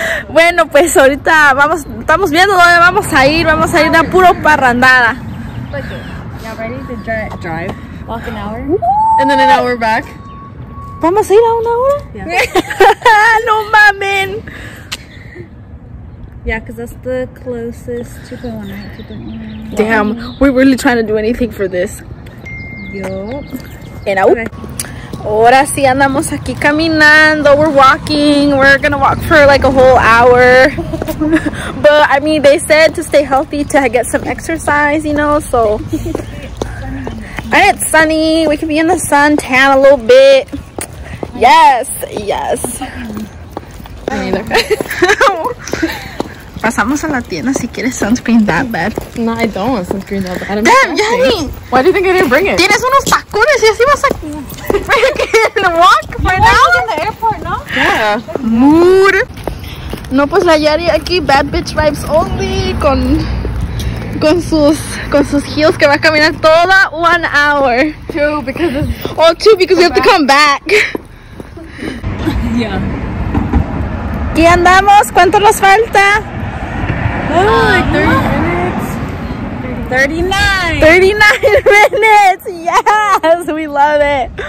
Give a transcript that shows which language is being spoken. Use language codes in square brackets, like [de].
[es] Bueno, pues ahorita vamos, estamos viendo dónde vamos a ir a puro parrandada. [en] Okay, y'all ready to drive? Walk an hour. And then an hour back. [es] ¿Vamos a ir a una hora? [en] Yeah. [es] No mamen. [en] Yeah, because that's the closest to the one. Damn, we're really trying to do anything for this. Yup. And out. [es] Ahora sí andamos aquí caminando. [en] We're walking. We're gonna walk for like a whole hour. But I mean, they said to stay healthy, to get some exercise, you know, so. And it's sunny. We can be in the sun, tan a little bit. Yes, yes. [es] Pasamos a la tienda si quieres [en] sunscreen that bad. No, I don't want sunscreen that bad. Damn, Yanni! Why do you think I didn't bring it? [es] Tienes unos tacones y así vas a [en] freaking walk for you now? You in the airport, no? Yeah. Mood. [es] No, pues la Yari aquí, [en] bad bitch vibes only, [es] con sus heels que va a caminar toda 1 hour. [en] Two, because it's... Well, two, because we have back. To come back. Yeah. [es] ¿Qué andamos? ¿Cuánto nos falta? [en] Like 30 minutes. 39 minutes. Yes, we love it.